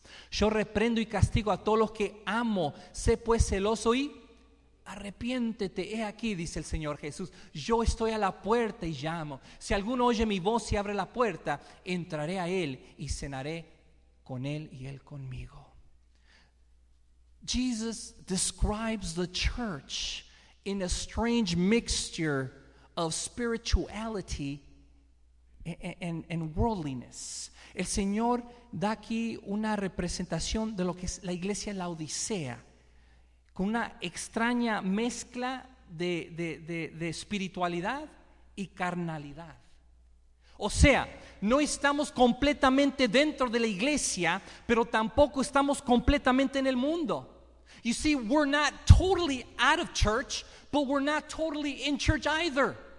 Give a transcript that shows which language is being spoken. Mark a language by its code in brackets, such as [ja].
[es] Yo reprendo y castigo a todos los que amo. Sé pues celoso y arrepiéntete. He aquí, dice el Señor Jesús, yo estoy a la puerta y llamo. Si alguno oye mi voz y abre la puerta, entraré a él y cenaré con él y él conmigo. [en] Jesus describes the church in a strange mixture of spirituality and worldliness. [es] El Señor da aquí una representación de lo que es la iglesia Laodicea, con una extraña mezcla de espiritualidad y carnalidad. O sea, no estamos completamente dentro de la iglesia, pero tampoco estamos completamente en el mundo. [en] You see, we're not totally out of church, but we're not totally in church either.